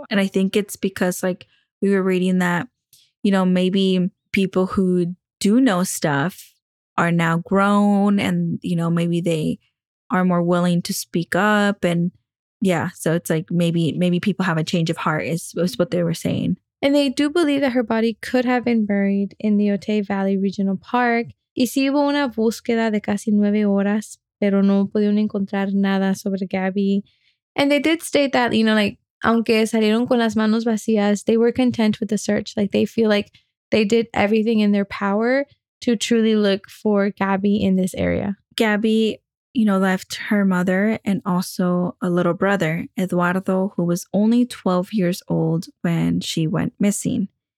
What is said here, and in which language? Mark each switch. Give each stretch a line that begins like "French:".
English: And I think it's because, like, we were reading that, you know, maybe people who do know stuff are now grown and, you know, maybe they are more willing to speak up. And yeah, so it's like maybe people have a change of heart is what they were saying. And they do believe that her body could have been buried in the Otay Valley Regional Park.
Spanish: Y sí hubo una búsqueda de casi 9 horas, pero no pudieron encontrar nada sobre Gabby.
English: And they did state that, you know, like,
Spanish: aunque salieron con las manos vacías,
English: they were content with the search. Like, they feel like they did everything in their power to truly look for Gabby in this area. Gabby, you know, left her mother and also a little brother, Eduardo, who was only 12 years old when she went missing.